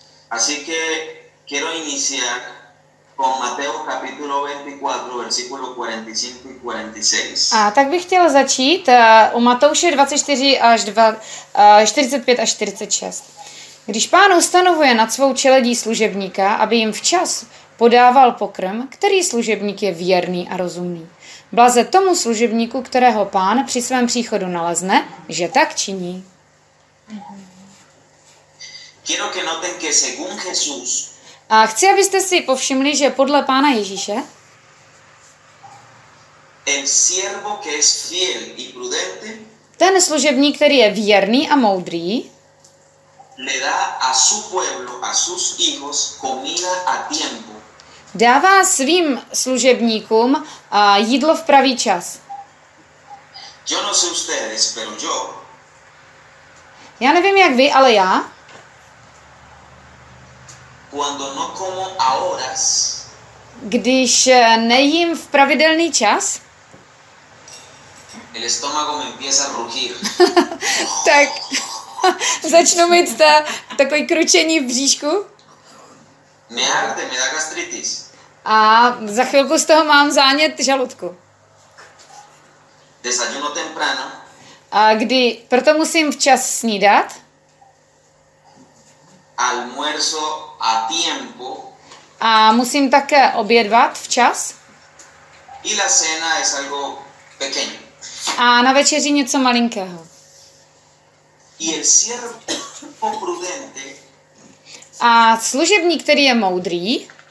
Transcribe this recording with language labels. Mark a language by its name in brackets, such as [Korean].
[Spanish] Así que quiero iniciar con Mateo capítulo 24 versículo 45 y 46. [Czech] A tak bych chtěl začít u Matouše 24 až 45 až 46. Když pán ustanovuje nad svou čeledí služebníka, aby jim včas podával pokrm, který služebník je věrný a rozumný. Blaze tomu služebníku, kterého pán při svém příchodu nalezne, že tak činí. [Spanish] Quiero que noten que según Jesús. [Czech] A chci, abyste si povšimli, že podle Pána Ježíše [Spanish] el siervo que es fiel y prudente, [Czech] ten služebník, který je věrný a moudrý, [Spanish] le da a su pueblo, a sus hijos comida a tiempo. [Czech] Dává svým služebníkům jídlo v pravý čas. [Spanish] Yo no sé ustedes, pero yo. [Czech] Já nevím, jak vy, ale já. [Spanish] Cuando no como a horas, [Czech] když nejím v pravidelný čas, [Spanish] el estómago me empieza a rugir. [Czech] Tak začnu mít takové kručení v bříšku. [Spanish] Me arde, me da gastritis. [Czech] A za chvilku z toho mám zánět žaludku. [Spanish] Desayuno temprano. [Czech] A kdy proto musím včas snídat. [Spanish] Almuerzo a tiempo. [Czech] A musím také obědvat včas. [Spanish] Y la cena es algo pequeño. [Czech] A na večeři něco malinkého. [Spanish] Y el siervo prudente. [Czech] A služebník, který je moudrý,